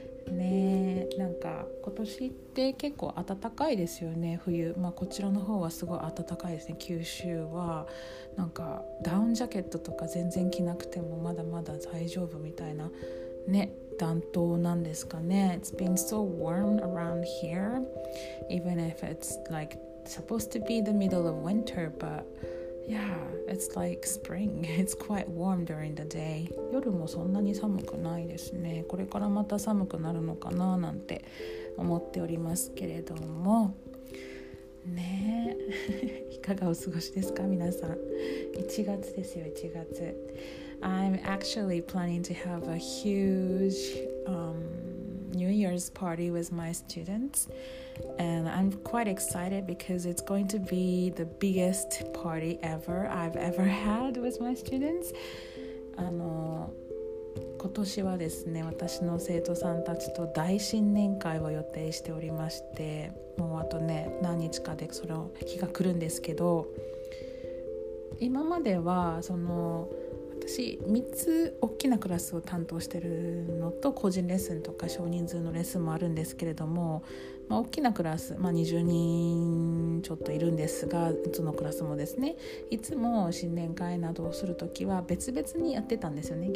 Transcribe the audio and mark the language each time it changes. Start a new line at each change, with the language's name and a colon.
Japanese: ね、なんか今年って結構暖かいですよね、冬。まあこちらの方はすごい暖かいですね、九州は。なんかダウンジャケットとか全然着なくてもまだまだ大丈夫みたいなね、暖冬なんですかね。
English: It's been so warm around here, even if it's like supposed to be the middle of winter, but yeah, it's like spring. It's quite warm during the day.
Japanese: 夜もそんなに寒くないですね。これからまた寒くなるのかななんて思っておりますけれどもね、いかがお過ごしですか皆さん。 1月ですよ、1月。
English: I'm actually planning to have a huge New Year's party with my students, and I'm quite excited because it's going to be the biggest party ever I've ever had with my students.
Japanese: 今年はですね、私の生徒さんたちと大新年会を予定しておりまして、もうあとね何日かでその日が来るんですけど、今まではその私3つ大きなクラスを担当してるのと、個人レッスンとか少人数のレッスンもあるんですけれども、まあ、大きなクラス、まあ、20人ちょっといるんですが、いつのクラスもですね、いつも新年会などをするときは別々にやってたんですよね。